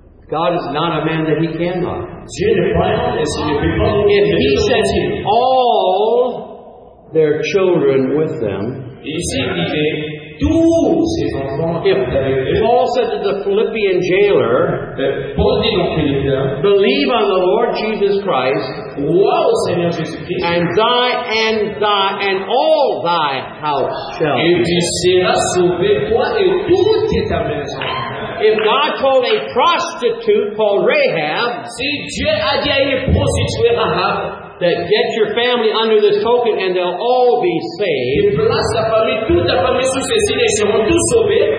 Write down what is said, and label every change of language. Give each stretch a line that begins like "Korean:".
English: God is not a man that he cannot. If he sends all their children with them, if Paul said to the Philippian jailer, believe on the Lord Jesus Christ, and all thy house shall be. If God told a prostitute called Rahab,
French: see, Dieu a dit à une prostituée Rahab,
English: that get your family under this token and they'll all be saved,
French: et place ta famille, toute ta famille sous ces signes et seront tous sauvés,